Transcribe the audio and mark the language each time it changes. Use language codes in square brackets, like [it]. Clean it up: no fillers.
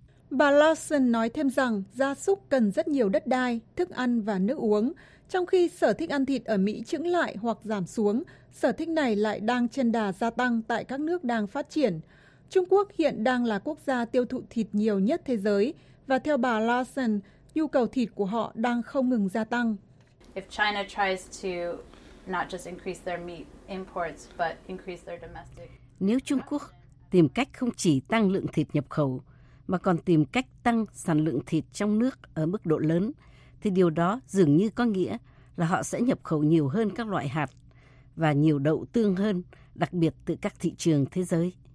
[vi] Bà Lawson nói thêm rằng gia súc cần rất nhiều đất đai, thức ăn và nước uống. Trong khi sở thích ăn thịt ở Mỹ chững lại hoặc giảm xuống, sở thích này lại đang trên đà gia tăng tại các nước đang phát triển. Trung Quốc hiện đang là quốc gia tiêu thụ thịt nhiều nhất thế giới. Và theo bà Lawson, nhu cầu thịt của họ đang không ngừng gia tăng. [en] If China tries to not just increase their meat imports, but increase their domestic... [vi] Nếu Trung Quốc tìm cách không chỉ tăng lượng thịt nhập khẩu, mà còn tìm cách tăng sản lượng thịt trong nước ở mức độ lớn, thì điều đó dường như có nghĩa là họ sẽ nhập khẩu nhiều hơn các loại hạt và nhiều đậu tương hơn, đặc biệt từ các thị trường thế giới.